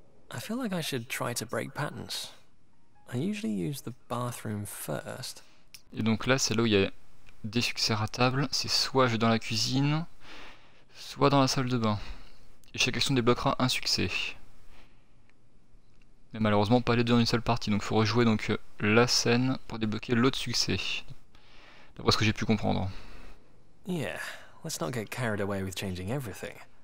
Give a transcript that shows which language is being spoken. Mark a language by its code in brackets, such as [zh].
[en] I feel like I should try to break patterns. I usually use the bathroom first. [fr] Et donc là, c'est là où il y a des succès ratables. C'est soit je vais dans la cuisine, soit dans la salle de bain. Et chaque action débloquera un succès. Mais malheureusement, pas les deux dans une seule partie. Donc il faut rejouer donc la scène pour débloquer l'autre succès. D'après ce que j'ai pu comprendre. [en] Yeah, let's not get carried away with changing everything.